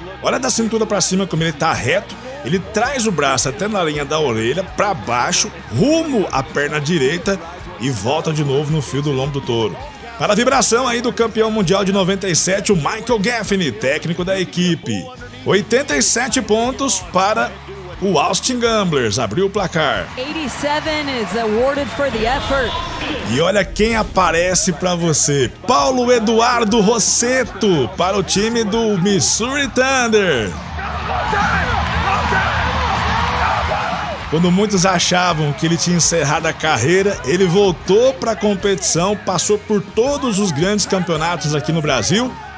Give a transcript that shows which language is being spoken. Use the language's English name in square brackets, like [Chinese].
[Portuguese] Olha da cintura para cima como ele tá reto. Ele traz o braço até na linha da orelha, para baixo, rumo à perna direita e volta de novo no fio do lombo do touro. Para a vibração aí do campeão mundial de 97, o Michael Gaffney, técnico da equipe. 87 pontos para o Austin Gamblers, abriu o placar. [English] 87 is awarded for the effort. [Portuguese] E olha quem aparece para você. Paulo Eduardo Rosseto, para o time do Missouri Thunder. Quando muitos achavam que ele tinha encerrado a carreira, ele voltou para a competição, passou por todos os grandes campeonatos aqui no Brasil.